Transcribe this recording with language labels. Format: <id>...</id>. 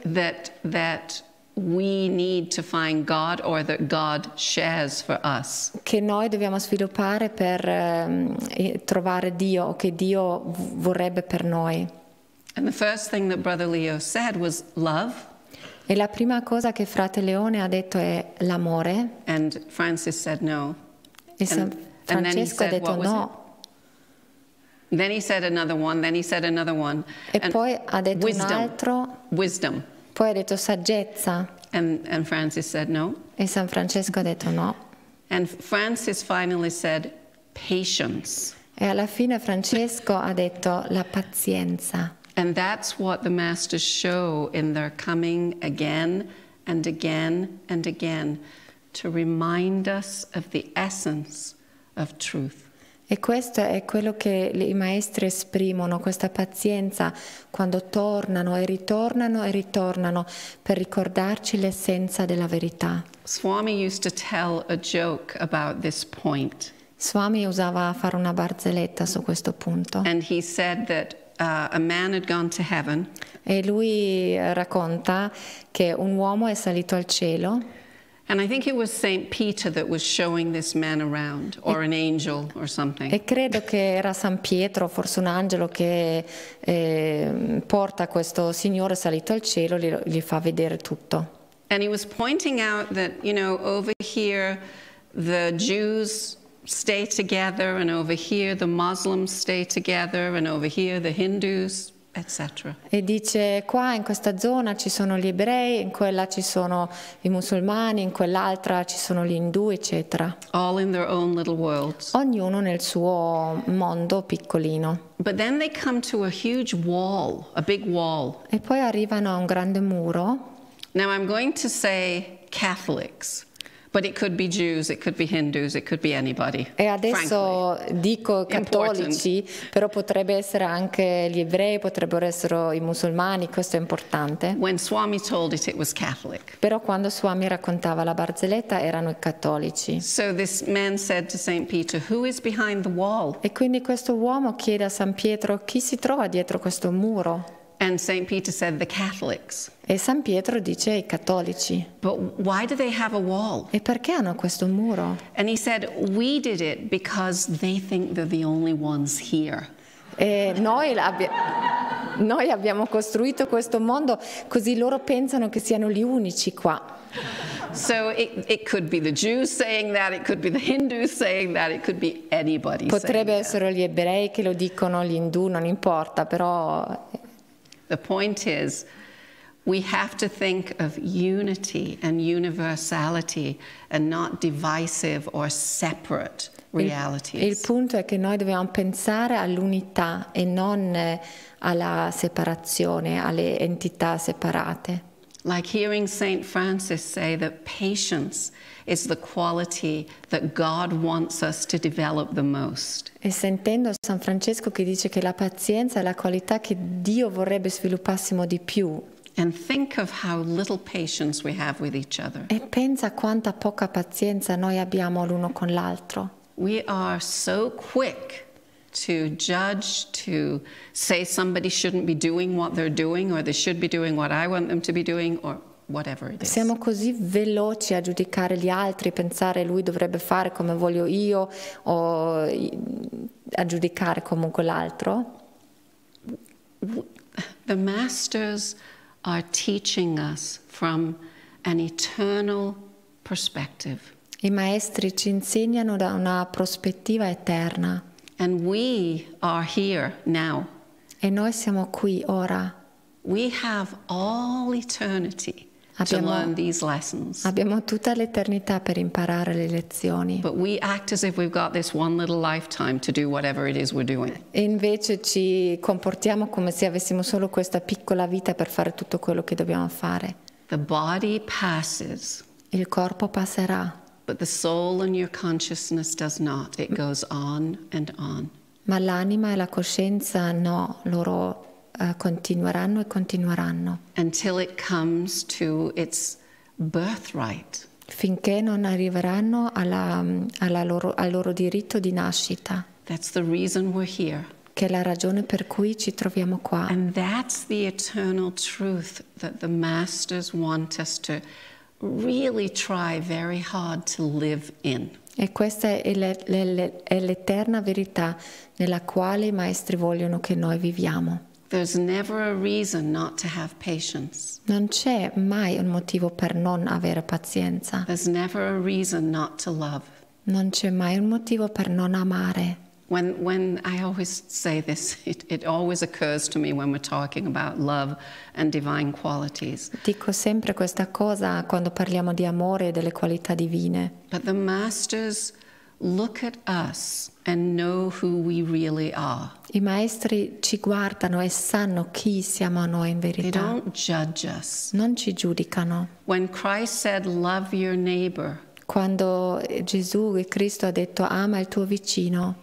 <en>that we need to find God, or that God shares for us?</en> <it>Che noi dobbiamo sviluppare per trovare Dio, o che Dio vorrebbe per noi.</it> <en>And the first thing that Brother Leo said was love.</en> <it>E la prima cosa che Frate Leone ha detto è l'amore.</it> <en>And Francis said no.</en> <it>E Francesco ha detto no.</it> <en>Then he said another one, then he said another one.</en> <it>E poi ha detto un altro.</it> <en>Wisdom.</en> <it>Poi ha detto saggezza.</it> <en>And Francis said no.</en> <it>E San Francesco ha detto no.</it> <en>And Francis finally said patience.</en> <it>E alla fine Francesco ha detto la pazienza.</it> <en>And that's what the masters show in their coming again and again and again, to remind us of the essence of truth.</en> <it>E questo è quello che i maestri esprimono, questa pazienza, quando tornano e ritornano e ritornano per ricordarci l'essenza della verità.</it> <en>Swami used to tell a joke about this point.</en> <it>Swami usava a fare una barzelletta su questo punto.</it> <en>And he said that a man had gone to heaven.</en> <it>E lui racconta che un uomo è salito al cielo.</it> <en>And I think it was Saint Peter that was showing this man around, or an angel, or something.</en> <it>E credo che era San Pietro, forse un angelo, che porta questo signore salito al cielo, gli fa vedere tutto.</it> <en>And he was pointing out that, you know, over here the Jews stay together, and over here the Muslims stay together, and over here the Hindus, etc.</en> <it>E dice, qua in questa zona ci sono gli ebrei, in quella ci sono i musulmani, in quell'altra ci sono gli indù, eccetera.</it> <en>All in their own little worlds.</en> <it>Ognuno nel suo mondo piccolino.</it> <en>But then they come to a huge wall, a big wall.</en> <it>E poi arrivano a un grande muro.</it> <en>Now I'm going to say Catholics. But it could be Jews, it could be Hindus, it could be anybody.</en> <it>E adesso</it> <en>frankly,</en> <it>dico cattolici, important. Però potrebbe essere anche gli ebrei, potrebbero essere i musulmani, questo è importante.</it> <en>When Swami told it, it was Catholic.</en> <it>Però quando Swami raccontava la barzelletta erano i cattolici.</it> <en>So this man said to Saint Peter, who is behind the wall?</en> <it>E quindi questo uomo chiede a San Pietro, chi si trova dietro questo muro?</it> <en>And Saint Peter said the Catholics.</en> <it>E San Pietro dice i cattolici.</it> <en>But why do they have a wall?</en> <it>E perché hanno questo muro?</it> <en>And he said, we did it because they think they're the only ones here.</en> <it>E noi abbiamo costruito questo mondo così loro pensano che siano gli unici qua.</it> <en>So it could be the Jews saying that, it could be the Hindus saying that, it could be anybody.</en> <it>Potrebbe</it> <en>saying</en> <it>essere</it> <en>that.</en> <it>Gli ebrei che lo dicono, gli indù, non importa, però.</it> <en>The point is, we have to think of unity and universality and not divisive or separate realities.</en> <it>Il punto è che noi dobbiamo pensare all'unità e non alla separazione, alle entità separate.</it> <en>Like hearing Saint Francis say that patience is the quality that God wants us to develop the most.</en> <it>E sentendo San Francesco che dice che la pazienza è la qualità che Dio vorrebbe sviluppassimo di più.</it> <en>And think of how little patience we have with each other.</en> <it>E pensa quanta poca pazienza noi abbiamo l'uno con l'altro.</it> <en>We are so quick to judge, to say somebody shouldn't be doing what they're doing, or they should be doing what I want them to be doing, or whatever it is.</en> <it>Siamo così veloci a giudicare gli altri, pensare lui dovrebbe fare come voglio io, o a giudicare comunque l'altro.</it> <en>The masters are teaching us from an eternal perspective.</en> <it>I maestri ci insegnano da una prospettiva eterna.</it> <en>And we are here now.</en> <it>E noi siamo qui ora.</it> <en>We have all eternity. To learn these lessons.</en> <it>Abbiamo tutta l'eternità per imparare le lezioni.</it> <en>But we act as if we've got this one little lifetime to do whatever it is we're doing.</en> <it>E invece ci comportiamo come se avessimo solo questa piccola vita per fare tutto quello che dobbiamo fare.</it> <en>The body passes.</en> <it>Il corpo passerà.</it> <en>But the soul and your consciousness does not. It goes on and on.</en> <it>Ma l'anima e la coscienza no, loro continueranno e continueranno.</it> <en>Until it comes to its birthright.</en> <it>Finché non arriveranno al loro diritto di nascita.</it> <en>That's the reason we're here.</en> <it>Che è la ragione per cui ci troviamo qua.</it> <en>And that's the eternal truth that the masters want us to really try very hard to live in.</en> <it>E questa è l'eterna verità nella quale i maestri vogliono che noi viviamo.</it> <en>There's never a reason not to have patience.</en> <it>Non c'è mai un motivo per non avere pazienza.</it> <en>There's never a reason not to love.</en> <it>Non c'è mai un motivo per non amare.</it> <en>When I always say this, it always occurs to me when we're talking about love and divine qualities.</en> <it>Dico sempre questa cosa quando parliamo di amore e delle qualità divine.</it> <en>But the masters look at us and know who we really are.</en> <it>I maestri ci guardano e sanno chi siamo noi in verità.</it> <en>They don't judge us.</en> <it>Non ci giudicano.</it> <en>When Christ said, "Love your neighbor."</en> <it>Quando Gesù e Cristo ha detto ama il tuo vicino.</it>